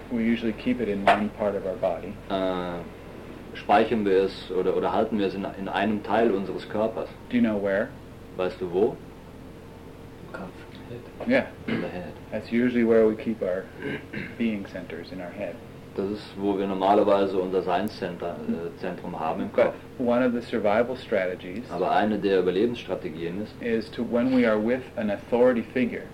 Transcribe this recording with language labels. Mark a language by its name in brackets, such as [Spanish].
[English] we usually keep it in one part of our body. [German] Speichern wir es oder halten wir es in einem Teil unseres Körpers. [English] Do you know where? [German] Weißt du wo? Im Kopf. [English] Yeah. In the head. That's usually where we keep our being centers, in our head. [German] Das ist, wo wir normalerweise unser Seinszentrum haben im Kopf. [English] But one of the survival strategies. [German] Aber eine der Überlebensstrategien ist. [English] Is to when we are with an authority figure.